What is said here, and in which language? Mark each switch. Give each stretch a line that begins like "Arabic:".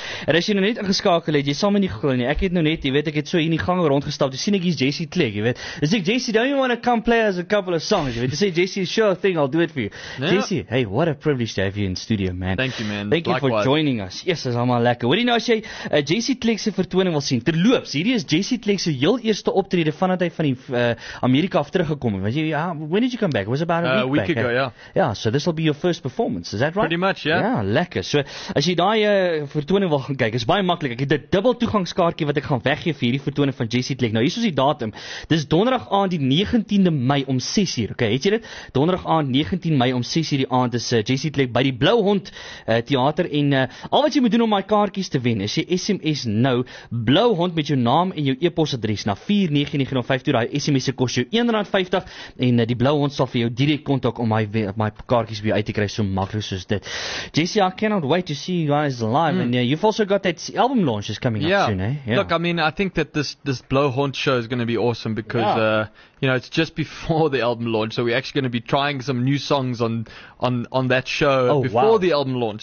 Afrikaans: En as jy nou net ingeskakel het, jy saam in die gril nie. Ek het nou net, jy weet, ek het so in die gang rondgestap. Jy sien ek hier is Jesse Tlaik, jy weet.
English: Is ek, Jesse, don't you want to come play us a couple of songs?
Afrikaans: Jy weet,
English: to say, Jesse, sure thing, I'll do it for you. Yeah. Jesse, hey, what a privilege to have you in studio, man. Thank you, man. Thank you likewise. For joining us. Yes,
Afrikaans: is allemaal lekker. Wat jy nou as jy Jesse Tlaik se vertoning wil sien? Terloops, hierdie is Jesse Tlaik se heel eerste optrede vanaf hy van die Amerika af teruggekom het.
English: When did you come back? It was about a week ago, yeah. Yeah, so this will be your first performance, is that right? Pretty much, yeah. Yeah, lekker.
Afrikaans: So, as jy daai vertoning wil gaan kyk, is baie maklik. Ek het 'n dubbel toegangskaartjie wat ek gaan weggee vir hierdie vertoning van Jesse Tlaik. Nou, hier is die datum. Dis donderdag aand die 19de Mei om 6:00. Okay, het jy dit? Donderdag aand 19 Mei om 6:00 die aand is Jesse Tlaik by die Blou Hond teater en al wat jy moet doen om my kaartjies te wen, is jy SMS nou Blou Hond met jou naam en jou e-posadres na 499052. Daai SMS se kos jou R1.50 en die Blou Hond sal vir jou direk kontak om my kaartjies by jou uit te kry, so maklik soos dit.
English: Jesse, I cannot wait to see you guys live. And you've also got that album launch is coming up soon, eh? Yeah. Look, I mean, I think that this Blow Haunt show is going to be awesome because, you know, it's just before the album launch, so we're actually going to be trying some new songs on that show the album launch.